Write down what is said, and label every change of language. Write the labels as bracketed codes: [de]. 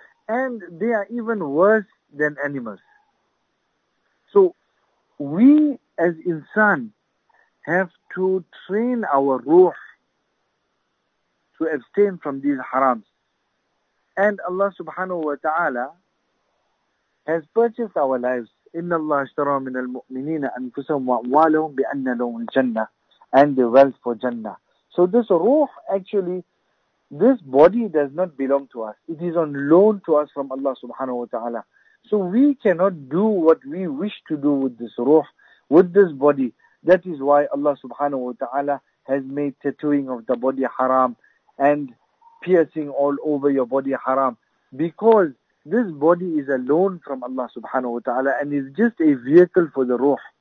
[en] And they are even worse than animals. So we as insan have to train our ruh to abstain from these harams. And Allah subhanahu wa ta'ala has purchased our lives. [ar] إِنَّ اللَّهَ اشْتَرَى مِنَ الْمُؤْمِنِينَ أَنْفُسَهُمْ وَأَمْوَالَهُمْ بِأَنَّ لَهُمُ الْجَنَّةَ, [en] and the wealth for Jannah. So this ruh, actually, this body does not belong to us. It is on loan to us from Allah subhanahu wa ta'ala. So we cannot do what we wish to do with this ruh, with this body. That is why Allah subhanahu wa ta'ala has made tattooing of the body haram and piercing all over your body haram, because this body is a loan from Allah subhanahu wa ta'ala and is just a vehicle for the ruh.